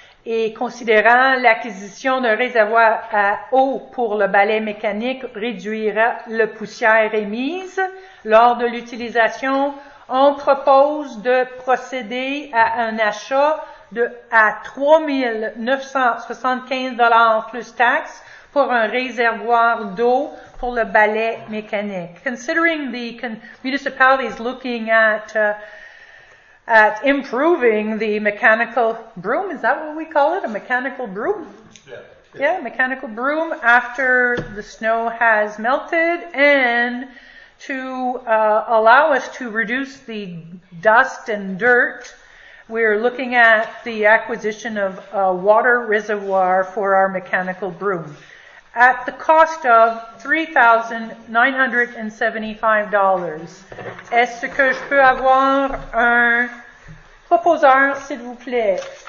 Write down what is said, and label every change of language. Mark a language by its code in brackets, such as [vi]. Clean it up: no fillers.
[fr] Et considérant l'acquisition d'un réservoir à eau pour le balai mécanique réduira la poussière émise lors de l'utilisation, on propose de procéder à un achat à 3 975 $ plus taxes pour un réservoir d'eau pour le balai mécanique. [en] Considering the municipality is looking at improving the mechanical broom, is that what we call it? A mechanical broom? Yeah. Yeah, mechanical broom after the snow has melted and to allow us to reduce the dust and dirt, we're looking at the acquisition of a water reservoir for our mechanical broom at the cost of $3,975. [fr] Est-ce que je peux avoir un proposeur, s'il vous plaît?